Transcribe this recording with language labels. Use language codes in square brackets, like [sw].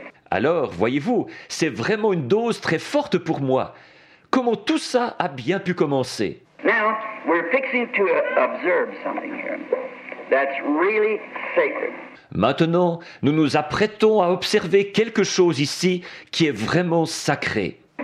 [fr] Alors, voyez-vous, c'est vraiment une dose très forte pour moi. Comment tout ça a bien pu commencer? [en] Now, we're fixing to observe something here that's really sacred. [fr] Maintenant, nous nous apprêtons à observer quelque chose ici qui est vraiment sacré.